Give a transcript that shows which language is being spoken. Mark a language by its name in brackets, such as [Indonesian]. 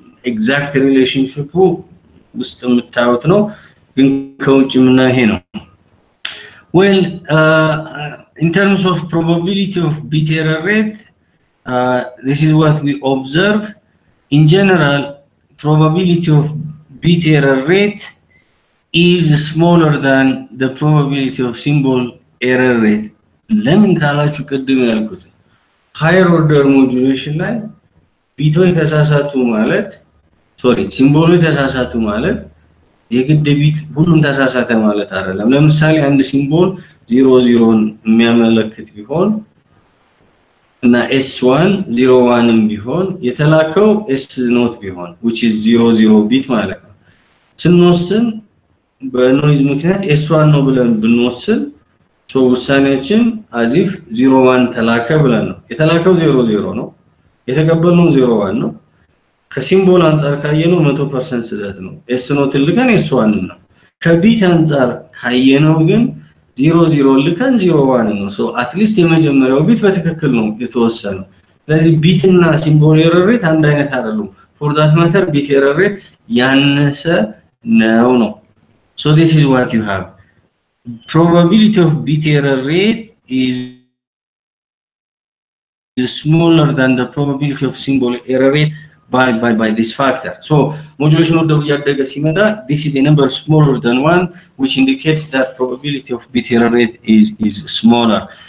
[English] Exact relationship [Amharic] ውስጥ የምታዩት ነው፣ ግን ከውጭ የምናየው ይሄ ነው። [English] Well, in terms of probability of bit error rate, this is what we observe. In general, probability of bit error rate is smaller than the probability of symbol error rate. [Amharic] ለምን ካላችሁ ቅድም ያልኩት higher order modulation ላይ ቢቶ የተሳሳቱ ማለት sorry ሲምቦሉ የተሳሳቱ ማለት የግድ ቢት ሁሉም ተሳሳተ ማለት አይደለም። ለምሳሌ አንድ ሲምቦል 00ን የሚያመለክት ቢሆን እና S1 01ም ቢሆን የተላከው S note ቢሆን which is 00 bit ማለት ነው። ስንወስን በኖይዝ ምክንያት S1 ነው ብለን ብንወስን ውሳኔያችን as if 01 ተላከ ብለን ነው። የተላከው 00 ነው፣ የተቀበልነው 01 ነው። ከሲምቦል አንጻር ካየነው 100% ስህተት ነው። S note ልከን S1 ነው። ከቢት አንጻር ካየነው ግን 00 ልከን 01 ነው። ሶ at least የመጀመሪያው ቢት በትክክል ነው የተወሰነው። ስለዚህ ቢት እና ሲምቦል ኤረር ሬት አንድ አይነት አይደሉም። [English] ፎር ዳት ማተር [Amharic] ቢት ኤረር ሬት ያነሰ ነው ነው። [English] So this is what you have. Probability of bit error rate is smaller than the probability of symbol error rate by this factor. So modulation order [Amharic] ያደገ ሲመጣ [English] this is a number smaller than 1 which indicates that probability of bit error rate is smaller.